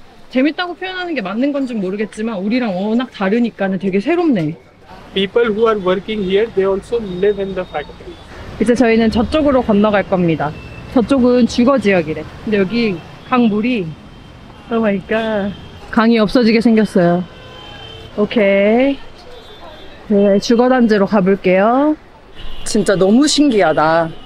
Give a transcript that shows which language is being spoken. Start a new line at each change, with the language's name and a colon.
Korean: 재밌다고 표현하는 게 맞는 건지 모르겠지만 우리랑 워낙 다르니까는 되게 새롭네.
English: People who are working here, they also live in the factory.
Korean: 이제 저희는 저쪽으로 건너갈 겁니다. 저쪽은 주거 지역이래. 근데 여기 강 물이
English: 오 마이 갓.
Korean: 강이 없어지게 생겼어요. 오케이. 네, 주거단지로 가볼게요. 진짜 너무 신기하다.